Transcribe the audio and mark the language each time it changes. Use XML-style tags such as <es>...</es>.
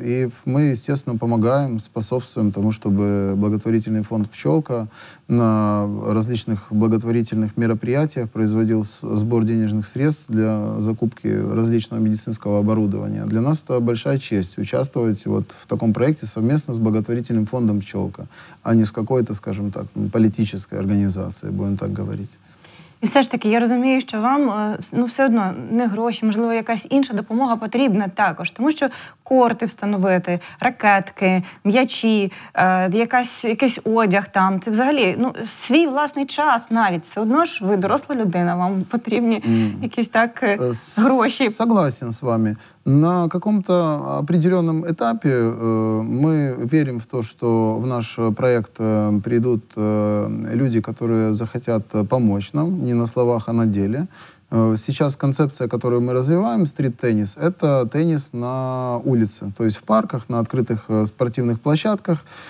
<ru>И мы, естественно, помогаем, способствуем тому, чтобы благотворительный фонд «Пчелка» на различных благотворительных мероприятиях производил сбор денежных средств для закупки различного медицинского оборудования. Для нас это большая честь участвовать вот в таком проекте совместно с благотворительным фондом «Пчелка», а не с какой-то, скажем так, политической организацией, будем так говорить.</ru> <uk>І все ж таки, я розумію, що вам, ну, все одно, не гроші, можливо, якась інша допомога потрібна також. Тому що корти встановити, ракетки, м'ячі, якийсь одяг там, це взагалі, ну, свій власний час навіть. Все одно ж ви доросла людина, вам потрібні якісь так гроші.</uk> <ru>Согласен з вами. На каком-то определенном этапе мы верим в то, что в наш проект придут люди, которые захотят помочь нам, не на словах, а на деле. Сейчас концепция, которую мы развиваем, стрит-теннис, это теннис на улице, то есть в парках, на открытых спортивных площадках.</ru>